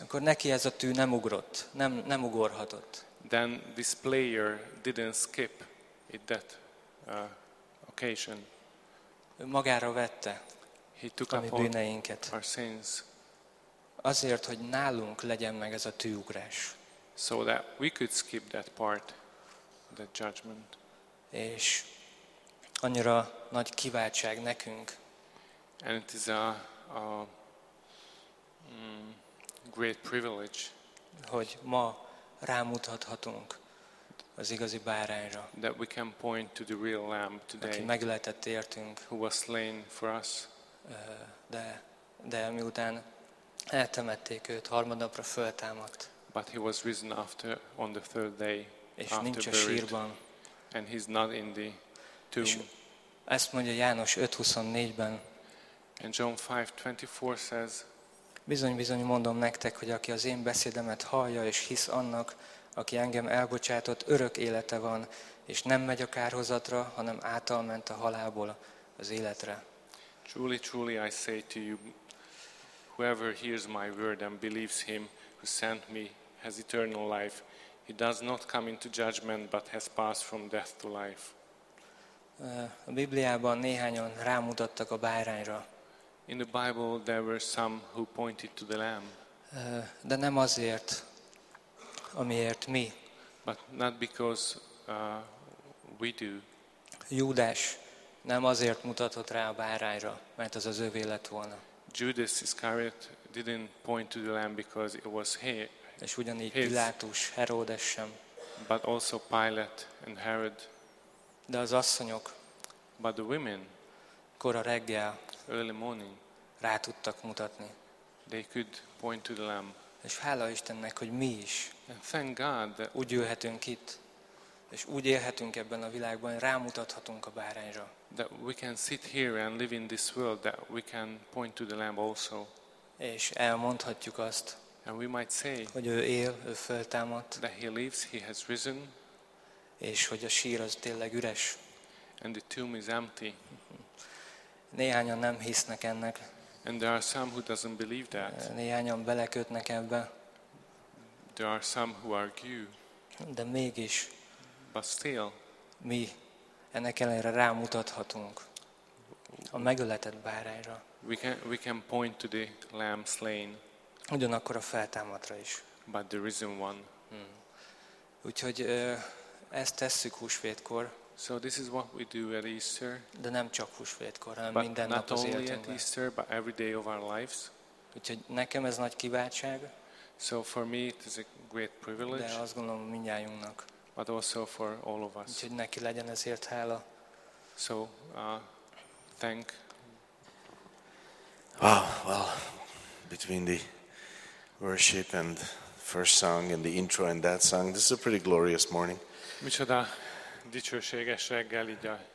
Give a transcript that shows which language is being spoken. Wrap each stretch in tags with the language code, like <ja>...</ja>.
<hu>Akkor neki ez a tű nem ugrott, nem ugorhatott.</hu> <en>Then this player didn't skip it that occasion.</en> <hu>Ő magára vette.</hu> <en>He took</en> <hu>a mi bűneinket.</hu> <en>Our sins.</en> <hu>Azért, hogy nálunk legyen meg ez a tűugrás.</hu> <en>So that we could skip that part, that judgment.</en> <hu>És annyira nagy kiváltság nekünk.</hu> <en>And it is a great privilege,</en> <hu>hogy ma rámutathatunk az igazi bárányra.</hu> <en>That we can point to the real lamb today.</en> <hu>Aki meglehetett értünk.</hu> <en>Who was slain for us.</en> <hu>De miután eltemették őt, harmadnapra föltámadt.</hu> <en>But he was risen after on the third day.</en> <hu>És nincs a sírban.</hu> <en>And he's not in the tomb.</en> <hu>Ezt mondja János 5:24-ben.</hu> <en>And John 5:24 says,</en> <hu>bizony-bizony mondom nektek, hogy aki az én beszédemet hallja és hisz annak, aki engem elbocsátott, örök élete van, és nem megy a kárhozatra, hanem által ment a halálból az életre.</hu> <en>Truly, truly, I say to you, whoever hears my word and believes him who sent me has eternal life. He does not come into judgment, but has passed from death to life.</en> <hu>A Bibliában néhányan rámutattak a bárányra.</hu> <en>In the Bible there were some who pointed to the lamb.</en> <hu>De nem azért, amiért mi.</hu> <en>But not because we do.</en> <hu>Júdás nem azért mutatott rá a bárányra, mert az az övé lett volna.</hu> <en>Judas Iscariot didn't point to the lamb because it was his.</en> <hu>És ugyanígy Pilátus, Herodes sem.</hu> <en>But also Pilate and Herod.</en> <hu>De az asszonyok.</hu> <en>But the women.</en> <hu>Kora reggel.</hu> <en>Early morning.</en> <hu>Rá tudtak mutatni.</hu> <en>They could point to the lamb.</en> <hu>És hála Istennek, hogy mi is.</hu> <en>And thank God that</en> <hu>úgy jöhetünk itt, és úgy élhetünk ebben a világban, hogy rámutathatunk a bárányra.</hu> <en>That we can sit here and live in this world, that we can point to the lamb also.</en> <hu>És elmondhatjuk azt.</hu> <en>And we might say,</en> <hu>hogy ő él, ő föltámadt.</hu> <en>That he lives, he has risen.</en> <hu>És hogy a sír az tényleg üres.</hu> <en>And the tomb is empty.</en> <hu>Néhányan nem hisznek ennek.</hu> <en>And there are some who doesn't believe that.</en> <hu>Néhányan belekötnek ebbe.</hu> <en>There are some who argue.</en> <hu>De mégis.</hu> <en>But still.</en> <hu>Mi ennek ellenére rámutathatunk a megöletett bárányra.</hu> <en>We can point to the lamb slain.</en> <hu>Ugyanakkor a feltámadra is.</hu> <en>But the risen one.</en> <hu>Úgyhogy ezt tesszük húsvétkor.</hu> <en>So this is what we do at Easter.</en> <hu>De nem csak húsvétkor, hanem minden nap az életünkben.</hu> <en>But not only at Easter, but every day of our lives.</en> <hu>Úgyhogy nekem ez nagy kiváltság.</hu> <en>So for me it is a great privilege.</en> <hu>De azt gondolom mindnyájunknak.</hu> <en>But also for all of us.</en> <hu>Úgyhogy neki legyen ezért hála.</hu> <en>So thank. Wow, well, between the worship and first song and the intro and that song, this is a pretty glorious morning.</en> <hu>Micsoda dicsőséges reggel így.</hu>